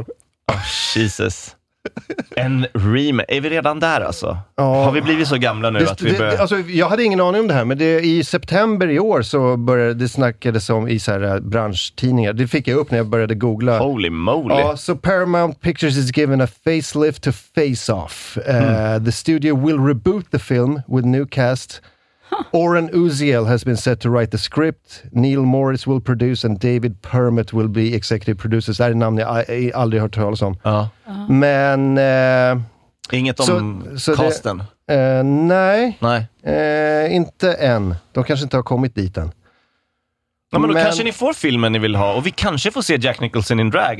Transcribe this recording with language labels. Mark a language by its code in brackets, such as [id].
[en] Oh, Jesus. [sv] En remake. Är vi redan där alltså? Oh. Har vi blivit så gamla nu att vi börjar? Alltså, jag hade ingen aning om det här, men i september i år så började det snackades om i så här branschtidningar. Det fick jag upp när jag började googla. [en] Holy moly. So Paramount Pictures is given a facelift to Face Off. The studio will reboot the film with new cast. Oren Uziel has been set to write the script. Neil Morris will produce and David Permet will be executive producer. [sv] Det är en namn jag aldrig hört talas om. Men inget om casten. Nej. Inte än. De kanske inte har kommit dit än. Ja, men då kanske ni får filmen ni vill ha. Och vi kanske får se Jack Nicholson [en] in drag.